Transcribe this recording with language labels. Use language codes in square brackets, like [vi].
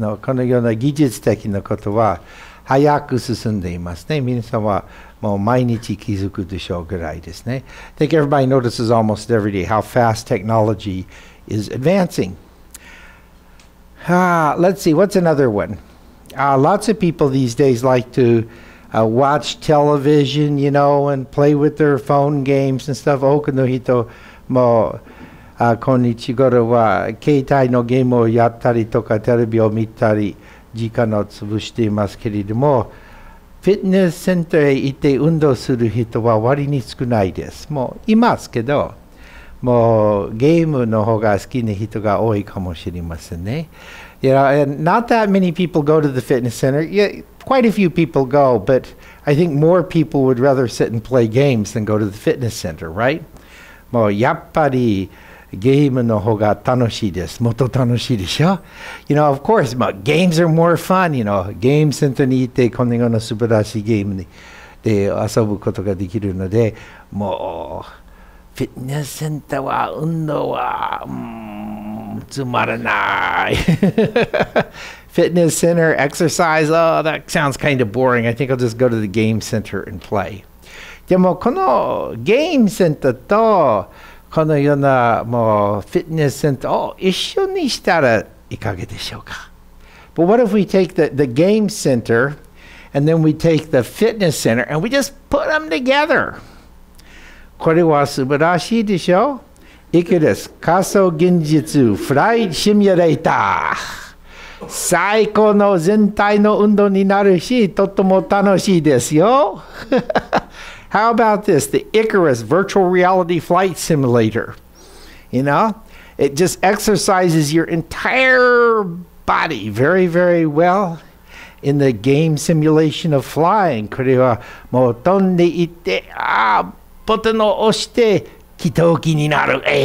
[ja] のこのような技術的なことは、早く進んでいますね。皆さんはもう毎日気づくでしょうぐらいですね。 [en] I think everybody notices almost every day how fast technology is advancing. Let's see, what's another one? Lots of people these days like to watch television, you know, and play with their phone games and stuff. [ja] 多くの人も、今日頃は携帯のゲームをやったりとかテレビを見たり、時間を潰していますけれども、フィットネスセンターへ行って運動する人は割に少ないです。もういますけど、もうゲームの方が好きな人が多いかもしれませんね。 [en] You know, and not that many people go to the fitness center. Yeah, quite a few people go, but I think more people would rather sit and play games than go to the fitness center, right? [ja] もうやっぱりゲームの方が楽しいです。もっと楽しいでしょ? [en] You know, of course, but games are more fun, you know. [ja] ゲームセンターに行ってこのような素晴らしいゲームで遊ぶことができるので、もうフィットネスセンターは運動はつまらない。 [en] Fitness center, exercise, oh, that sounds kind of boring. I think I'll just go to the game center and play. [ja] でもこのゲームセンターとこのようなもうフィットネスセンターを一緒にしたらいかがでしょうか? [en] But what if we take the game center and then we take the fitness center and we just put them together? [ja] これは素晴らしいでしょ?いくです。仮想現実フライシミュレーター。最高の全体の運動になるし、とっても楽しいですよ。 [en] How about this? The Icarus Virtual Reality Flight Simulator. You know, it just exercises your entire body very, very well in the game simulation of flying. [ja] これはもう飛んでいって、ボタンを押して起動機になる。